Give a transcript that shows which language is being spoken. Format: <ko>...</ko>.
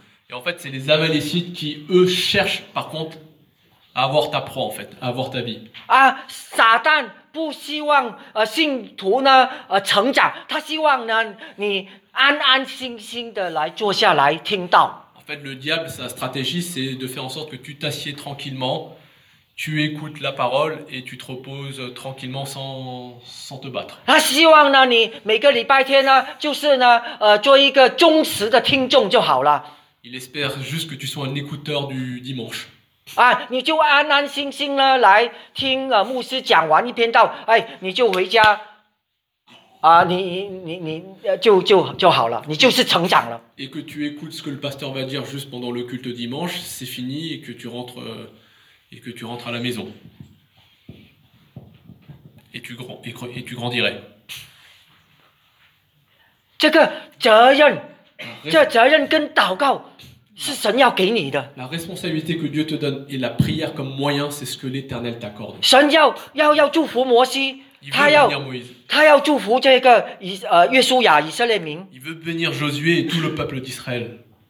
<fr>Et en fait, c'est les Amalécites qui, eux, cherchent, par contre, à avoir ta proie, en fait, à avoir ta vie.</fr> <zh>Ah, Satan, 不希望信徒呢成长，他希望呢你安安心心的来坐下来听到。</zh> <fr>En fait, le diable, sa stratégie, c'est de faire en sorte que tu t'assieds tranquillement, tu écoutes la parole et tu te reposes tranquillement sans te battre.</fr> <zh>他希望呢你每个礼拜天呢就是呢做一个忠实的听众就好了。</zh> <fr>Il espère juste que tu sois un écouteur du dimanche.</fr> <zh>啊，你就安安心心呢来听牧师讲完一篇道，哎，你就回家，啊，你就好了，你就是成长了。</zh> <fr>Et que tu écoutes ce que le pasteur va dire juste pendant le culte dimanche, c'est fini et que tu rentres à la maison. et tu grandirais.</fr> <zh>这个责任跟祷告是神要给你的。</zh> <fr>La responsabilité que Dieu te donne et la prière comme moyen, c'est ce que l'Éternel t'accorde.</fr> <zh>神要祝福摩西。</zh> <fr>Il veut bénir Josué et tout le peuple d'Israël.</fr>